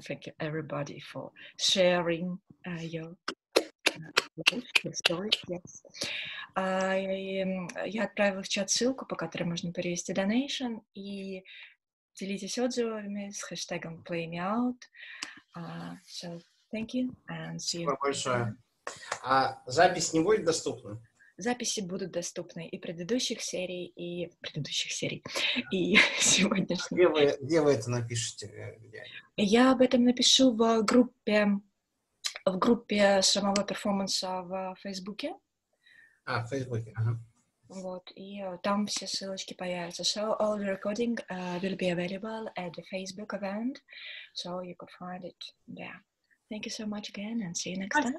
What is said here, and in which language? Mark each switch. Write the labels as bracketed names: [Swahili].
[English] Thank you, everybody, for sharing your life, your story. Yes. [Russian] Я отправила в чат ссылку, по которой можно перевести donation, и делитесь отзывами с хэштегом PlayMeOut. [English] So, thank you, and see you. [Russian] Спасибо большое. А запись не будет доступна? Записи будут доступны и предыдущих серий, и предыдущих серий, и сегодняшних. Где вы это напишете? Я об этом напишу в группе самого перформанса в Фейсбуке. А, в Фейсбуке, ага. Вот, и там все ссылочки появятся. [English] So all the recording will be available at the Facebook event, so you could find it there. Thank you so much again, and see you next time.